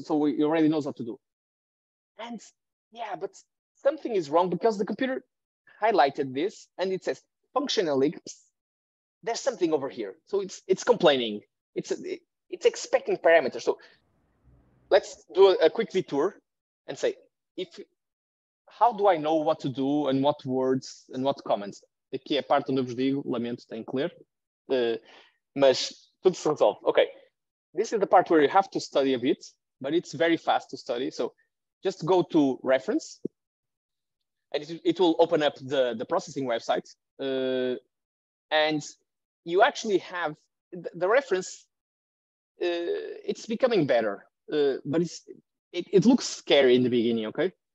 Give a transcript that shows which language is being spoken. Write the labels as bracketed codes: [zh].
[en] So it already knows what to do. And yeah, but something is wrong because the computer highlighted this and it says functional ellipse. There's something over here. So it's complaining. It's expecting parameters. So let's do a quick detour and say, how do I know what to do and what words and what comments? [pt] Aqui é parte onde eu vos digo, lamento, tem que ler. Mas tudo se resolve. [en] Okay, this is the part where you have to study a bit, but it's very fast to study. So just go to reference and it will open up the processing website. And you actually have the reference, it's becoming better, but it looks scary in the beginning, okay?